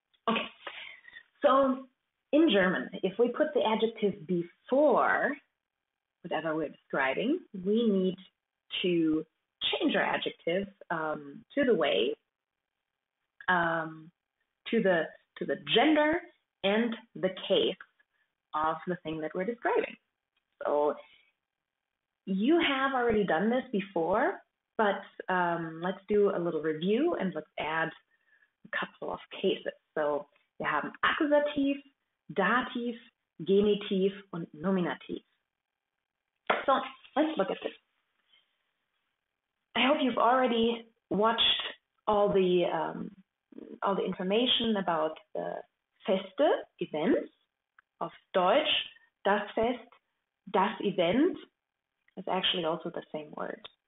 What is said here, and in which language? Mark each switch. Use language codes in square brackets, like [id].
[en] Okay, so in German, if we put the adjective before whatever we're describing, we need to change our adjective to the way, to the gender and the case of the thing that we're describing. So you have already done this before, but let's do a little review and let's add a couple of cases. [de] So wir haben Akkusativ, Dativ, Genitiv und Nominativ. [en] So let's look at this. I hope you've already watched all the information about the feste events. [de] Auf Deutsch, das Fest, das Event [en] is actually also the same word.